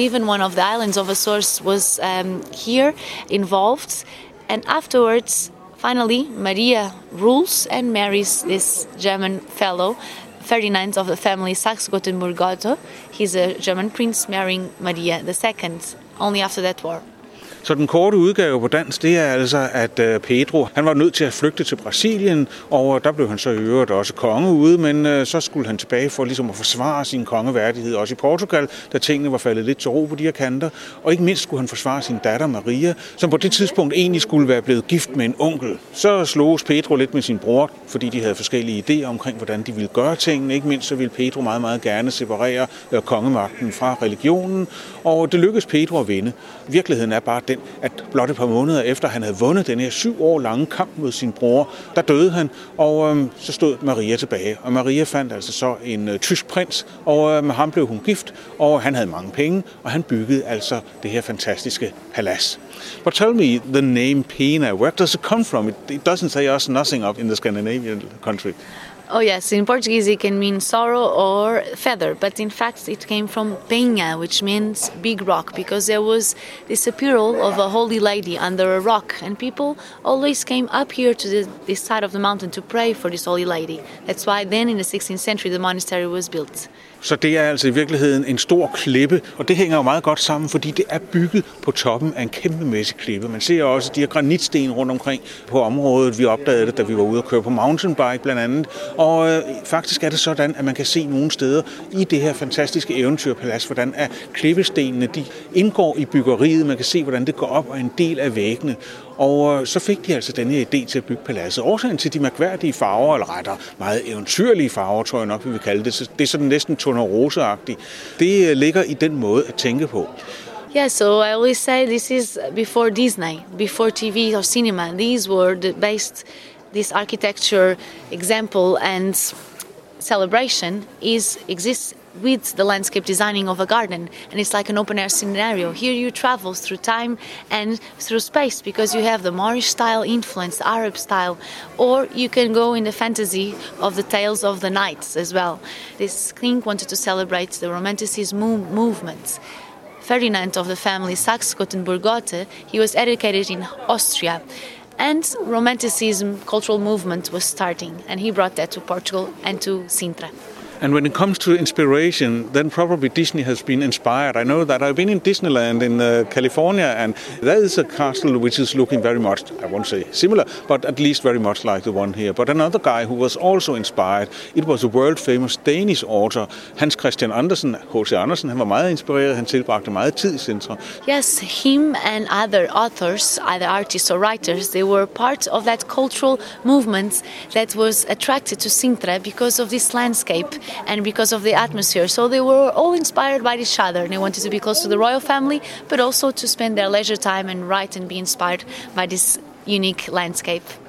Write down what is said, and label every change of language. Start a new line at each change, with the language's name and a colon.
English: Even one of the islands of Açores was here involved. And afterwards, finally, Maria rules and marries this German fellow, Ferdinand of the family Saxe-Gotenburg-Gotha. He's a German prince marrying Maria II, only after that war.
Danish: Så den korte udgave på dansk, det er altså, at Pedro, han var nødt til at flygte til Brasilien, og der blev han så i øvrigt også konge ude, men så skulle han tilbage for ligesom at forsvare sin kongeværdighed, også i Portugal, da tingene var faldet lidt til ro på de her kanter, og ikke mindst skulle han forsvare sin datter Maria, som på det tidspunkt egentlig skulle være blevet gift med en onkel. Så sloges Pedro lidt med sin bror, fordi de havde forskellige idéer omkring, hvordan de ville gøre tingene, ikke mindst så ville Pedro meget, meget gerne separere kongemagten fra religionen, og det lykkedes Pedro at vinde. Virkeligheden er bare den, at blot et par måneder efter, han havde vundet den her 7 år lange kamp mod sin bror, der døde han, og så stod Maria tilbage. Og Maria fandt altså så en tysk prins, og med ham blev hun gift, og han havde mange penge, og han byggede altså det her fantastiske palads.
English: But tell me, the name Pena, where does it come from? It doesn't say us nothing up in the Scandinavian country. Oh yes, in Portuguese it can mean sorrow or feather, but in fact it came from Penha, which means big rock, because there was this appearance of a holy lady under a rock, and people always came up here to this side of the mountain to pray for this holy lady. That's why then in the 16th century the monastery was built.
Danish: Så det er altså i virkeligheden en stor klippe, og det hænger jo meget godt sammen, fordi det er bygget på toppen af en kæmpemæssig klippe. Man ser også de her granitsten rundt omkring på området. Vi opdagede det, da vi var ude at køre på mountainbike blandt andet. Og faktisk er det sådan, at man kan se nogle steder i det her fantastiske eventyrpalads, hvordan er klippestenene de indgår i byggeriet. Man kan se, hvordan det går op og en del af væggene. Og så fik de altså denne idé til at bygge paladset. Årsagen til de mærkværdige farver, eller retter meget eventyrlige farver, tror jeg nok, vi vil kalde det. Så det er sådan næsten tonerose-agtigt. Det ligger i den måde at tænke på.
English: Yeah, so I always say this is before Disney, before TV or cinema. These were the based, this architecture example and celebration exists with the landscape designing of a garden, and it's like an open-air scenario. Here you travel through time and through space because you have the Moorish style influence, Arab style, or you can go in the fantasy of the tales of the knights as well. This king wanted to celebrate the Romanticism movement Ferdinand of the family Saxe-Gotha-Gothen, he was educated in Austria. And Romanticism cultural movement was starting, and he brought that to Portugal and to Sintra. And when it comes to inspiration, then probably Disney has been inspired. I know that I've been in Disneyland in California, and that is a castle which is looking very much, I won't say similar, but at least very much like the one here. But another guy who was also inspired, it was a world-famous Danish author, Hans Christian Andersen, H.C. Andersen.
Danish: Han var meget inspireret, han tilbragte meget tid i Sintra.
English: Yes, him and other authors, either artists or writers, they were part of that cultural movement that was attracted to Sintra because of this landscape and because of the atmosphere. So they were all inspired by each other, and they wanted to be close to the royal family, but also to spend their leisure time and write and be inspired by this unique landscape.